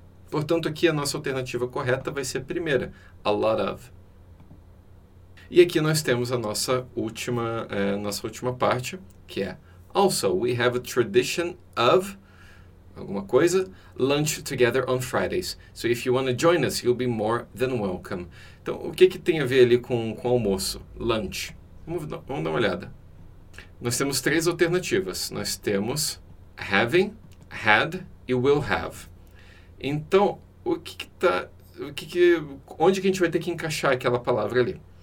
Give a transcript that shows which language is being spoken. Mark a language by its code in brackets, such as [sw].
[pt] Portanto, aqui a nossa alternativa correta vai ser a primeira, [en] a lot of. [pt] E aqui nós temos a nossa última parte, que é [en] also, we have a tradition of, [pt] alguma coisa, [en] lunch together on Fridays. So if you want to join us, you'll be more than welcome. [pt] Então, o que tem a ver ali com almoço? Lunch. Vamos dar uma olhada. Nós temos três alternativas. Nós temos having, had e will have. Então, onde que a gente vai ter que encaixar aquela palavra ali?